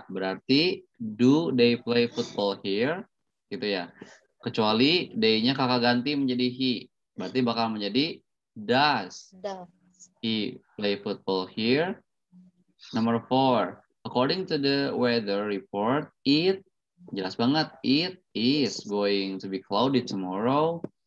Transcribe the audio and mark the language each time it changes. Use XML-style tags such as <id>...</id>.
<id>Berarti,</id> <en>do they play football here?</en> <id>Gitu ya. Kecuali day-nya kakak ganti menjadi he. Berarti bakal menjadi does.</id> <en>He play football here. Number four. According to the weather report, it,</en> <id>jelas banget,</id> <en>it is going to be cloudy tomorrow.</en>